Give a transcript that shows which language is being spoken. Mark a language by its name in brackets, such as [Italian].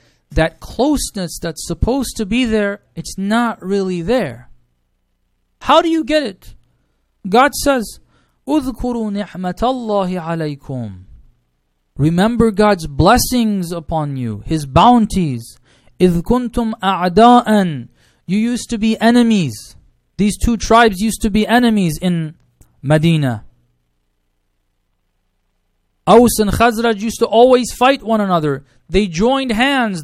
[English] that closeness that's supposed to be there, it's not really there. How do you get it? God says, [Arabic] اذكروا نعمة الله عليكم. [English] Remember God's blessings upon you, His bounties. [Arabic] إذ كنتم أعداء. [English] You used to be enemies. These two tribes used to be enemies in Medina. Aus and Khazraj used to always fight one another. They joined hands.